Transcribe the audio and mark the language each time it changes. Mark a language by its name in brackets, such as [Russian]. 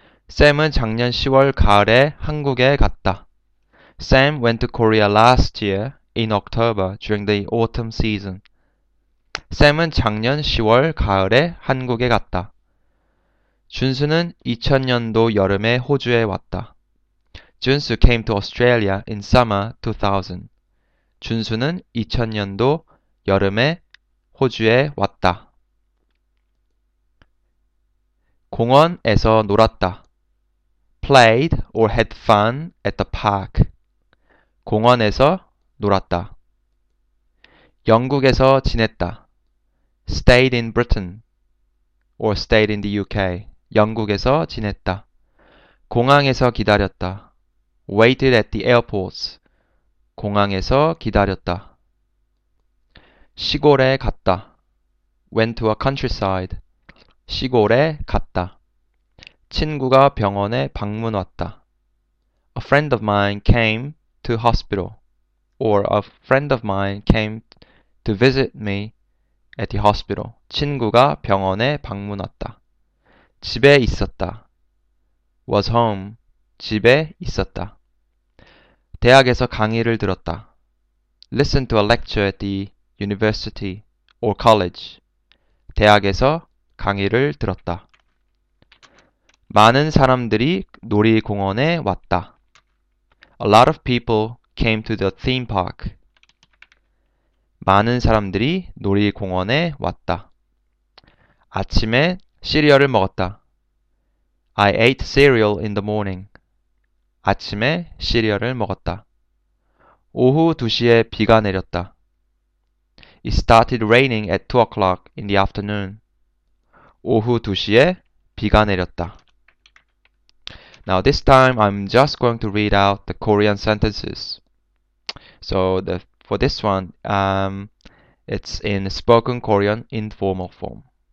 [Korean] Sam은 작년 10월 가을에 한국에 갔다. [English] Sam went to Korea last year in October during the autumn season. [Korean] Sam은 작년 10월 가을에 한국에 갔다. 준수는 2000년도 여름에 호주에 왔다. [English] Junsu came to Australia in summer 2000. [Korean] 준수는 2000년도 여름에 호주에 왔다. 공원에서 놀았다. [English] Played or had fun at the park. [Korean] 공원에서 놀았다. 영국에서 지냈다. [English] Stayed in Britain or stayed in the UK. [Korean] 영국에서 지냈다. 공항에서 기다렸다. [English] Waited at the airports. [Korean] 공항에서 기다렸다. 시골에 갔다. [English] Went to a countryside. [Korean] 시골에 갔다. 친구가 병원에 방문 왔다. [English] A friend of mine came to hospital, or a friend of mine came to visit me at the hospital. [Korean] 친구가 병원에 방문 왔다. 집에 있었다. [English] Was home. [Korean] 집에 있었다. 대학에서 강의를 들었다. [English] Listen to a lecture at the university or college. [Korean] 대학에서 강의를 들었다. 많은 사람들이 놀이공원에 왔다. [English] A lot of people came to the theme park. [Korean] 많은 사람들이 놀이공원에 왔다. 아침에 시리얼을 먹었다. [English] I ate cereal in the morning. [Korean] 아침에 시리얼을 먹었다. 오후 2시에 비가 내렸다. [English] It started raining at 2 o'clock in the afternoon. [Korean] 오후 2시에 비가 내렸다. [English] Now this time I'm just going to read out the Korean sentences. So for this one, it's in spoken Korean informal form.